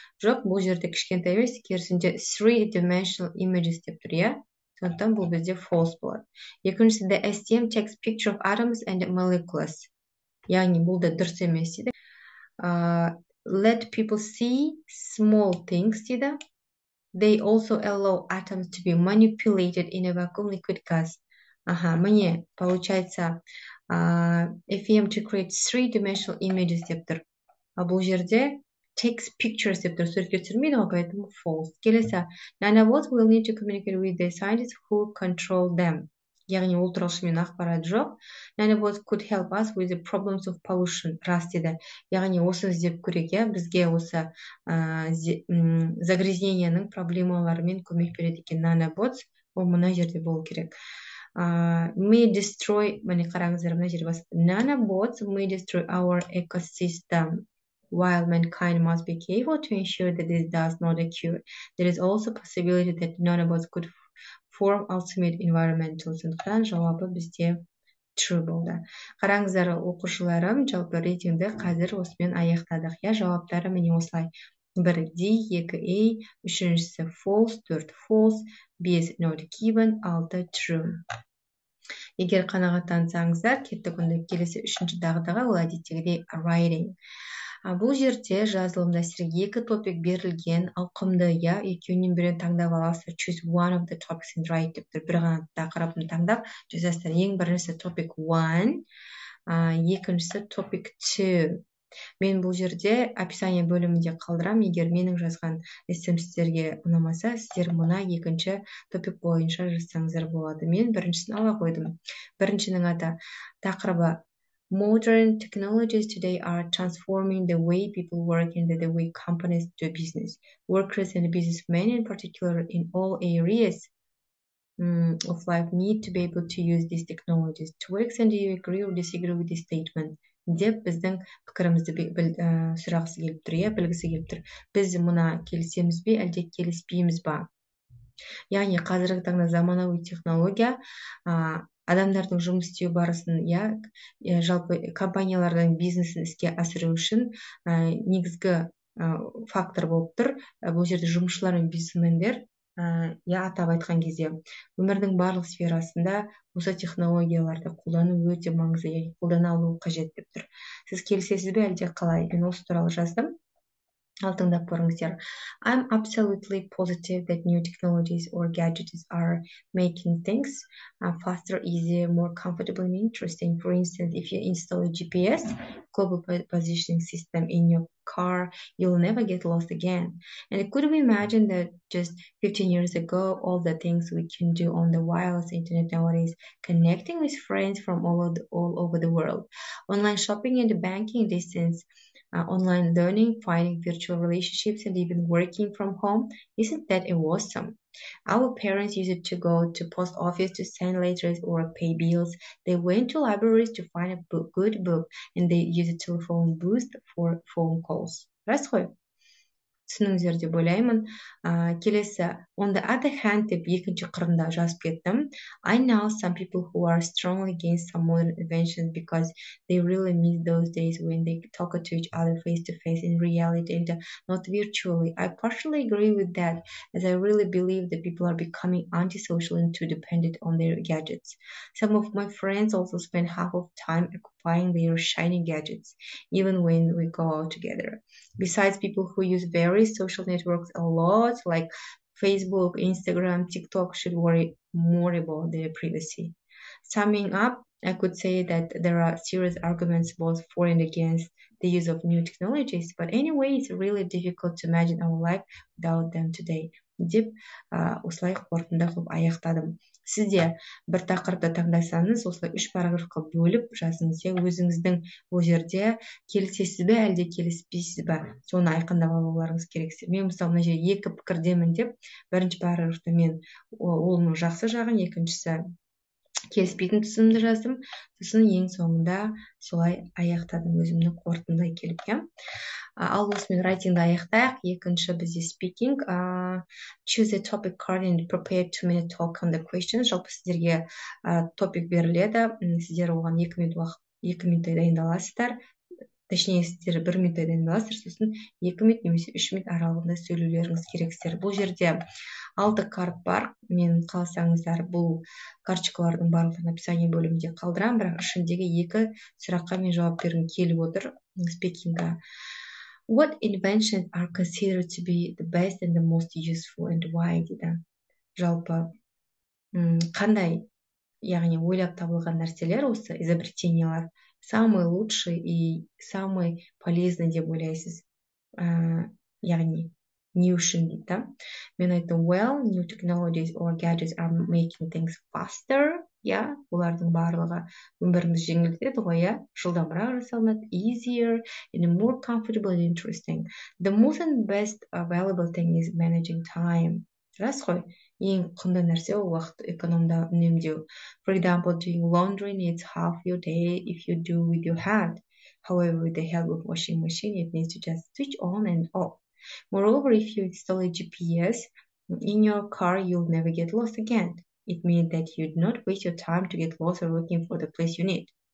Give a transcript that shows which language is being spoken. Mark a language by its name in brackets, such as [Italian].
[Kazakh] Жоқ, бұл жерде кішкентай емес, керісінше [English] 3-dimensional images [Kazakh] деп тұр, иә? Сондықтан бұл бізде false болады. Екіншісі, [English] the STM takes picture of atoms and molecules. [Kazakh] Яғни бұл да дұрыс емес дейді. [English] Let people see small things [Kazakh] дейді. [English] They also allow atoms to be manipulated in a vacuum liquid gas. [Kazakh] Аха, міне, [Russian] получается, [English] FEM to create three-dimensional images [Kazakh] деп тұр. Ал бұл жерде [English] takes pictures [Kazakh] деп тұр. Суретке түсірмейді ғой, [Russian] поэтому [Kazakh] false. Келесі, [English] nanobots will need to communicate with the scientists who control them. [Kazakh] Яғни ол туралы шынымен ақпарат жоқ. [English] Nanobots could help us with the problems of pollution. [Kazakh] Рас деді. Яғни осы іздеп көрек, иә, бізге осы загрязнениенің проблемаларымен көмек береді екен nanobots. Ол мына жерде болу керек. [English] May destroy, [Kazakh] міне қараңыздар, мына жерде басып, [English] nanobots may destroy our ecosystem while mankind must be careful to ensure that this does not occur. There is also possibility that nanobots could form ultimate environmental. [Kazakh] Сондықтан жауабы бізде true болды. Қараңыздар, оқушыларым, жалпы рейтингді қазір осымен аяқтадық. Я жауаптары міне осылай. 1 D, 2 A, 3-сі false, 4 false, 5 not given, 6 true. Егер қанағаттансаңыздар, кеттік онда келесі 3-ші дағдыға, ол әдеттегідей writing. А бұл жерде жазылымда сіздерге екі топик берілген, ауқымды, иә, екеуінен біреуін таңдап аласыз, [English] choose one of the topics and write [Kazakh] деп тұр. Бір ғана тақырыбын таңдап, жазасыздар. Ең біріншісі topic 1, екіншісі topic 2. Мен бұл жерде описание бөлімінде қалдырам. Егер менің жазған эссем сіздерге ұнамаса, сіздер мына екінші топик бойынша жазсаңыздар болады. Мен біріншісін ала қойдым. Біріншінің аты тақырыбы [English] Modern technologies today are transforming the way people work and the way companies do business. Workers and businessmen in particular in all areas of life need to be able to use these technologies. To what extent do you agree or disagree with this statement? [Kazakh] Деп біздің пікірімізді сұрағысы келіп тұр, иә, білгісі келіп тұр. Біз мұна келісеміз бе, әлде келіспейміз ба? Яғни қазіргі таңда заманауи технология адамдардың жұмыс істеу барысын, иә, жалпы компаниялардың бизнесін іске асыру үшін негізгі фактор болып тұр. Бұл жерде жұмысшылар мен бизнесмендер, иә, атап айтқан кезде өмірдің барлық сферасында осы технологияларды қолдану өте маңызды, яғни қолдана алу қажет деп тұр. Сіз келісесіз бе, әлде қалай? Мен осы туралы жаздым. Ал тыңдап көріңіздер. [English] I'm absolutely positive that new technologies or gadgets are making things faster, easier, more comfortable and interesting. For instance, if you install a GPS, global positioning system in your car, you'll never get lost again. And could we imagine that just 15 years ago, all the things we can do on the wireless internet nowadays, connecting with friends from all over the world, online shopping and banking distance, online learning, finding virtual relationships, and even working from home. Isn't that awesome? Our parents used to go to post office to send letters or pay bills. They went to libraries to find a good book, and they used a telephone booth for phone calls. [Kazakh] Рас қой? Түсініңіздер деп ойлаймын. Келесі, [English] on the other hand, [Kazakh] деп екінші қырында жазып кеттім. [English] I know some people who are strongly against some modern inventions because they really miss those days when they talk to each other face to face in reality and not virtually. I partially agree with that as I really believe that people are becoming antisocial and too dependent on their gadgets. Some of my friends also spend half of time buying their shiny gadgets, even when we go out together. Besides, people who use various social networks a lot, like Facebook, Instagram, TikTok, should worry more about their privacy. Summing up, I could say that there are serious arguments both for and against the use of new technologies, but anyway, it's really difficult to imagine our life without them today. [Kazakh] Деп осылай қорытынды қылып аяқтадым. Сіз де бір тақырыпты таңдасаңыз, осылай үш параграфқа бөліп жазыңыз, өзіңіздің бұл жерде келісесіз бе, әлде келіспейсіз бе, соны айқындап алуларыңыз керек. Мен мысалы мына жерде екі пікірдемін деп, бірінші параграфта мен оның жақсы жағын, екіншісі келіспейтін тұсымды жаздым. Сосын ең соңында солай аяқтадым өзімнің қорытындыға келіп. Ал осымен райтингді аяқтайық. Екінші бізде speaking. [English] Choose a topic according to prepare 2-minute talk on the question. [Kazakh] Жалпы сіздерге topic беріледі. Сіздер оған 2 минут уақыт, 2 минут дайындаласыздар. Точнее, сіздер 1 минут дайындаласыздар. Сосын 2 минут немесе 3 минут аралығында сөйлеулеріңіз керек сіздер. Бұл жерде 6 карт бар. Мен қаласаңыздар бұл карточкалардың барлығын описание бөлімінде қалдырам, бірақ ішіндегі 2 сұраққа мен жауап бергім келіп отыр. Speaking-а. [English] What inventions are considered to be the best and the most useful and why? [Kazakh] Дейді. Жалпы, қандай, яғни ойлап табылған нәрселер осы изобретениелер [Russian] самый лучший и самый полезный [Kazakh] деп ойлайсыз? Яғни не үшін дейді, да? Мен айтам, [English] well, new technologies or gadgets are making things faster. [Kazakh] Yeah, олардың барлығы өміріміз жеңілдетеді ғой, иә? Жылдамырақ жасалынады, [English] easier and more comfortable and interesting. The most and best available thing is managing time. [Kazakh] Рас қой, ең құнды нәрсе ол уақыт экономда үнемдеу. [English] For example, doing laundry needs half your day if you do with your hand. However, with the help of washing machine, it needs to just switch on and off. Moreover, if you install a GPS in your car, you'll never get lost again. It means that you'd not waste your time to get lost or looking for the place you need.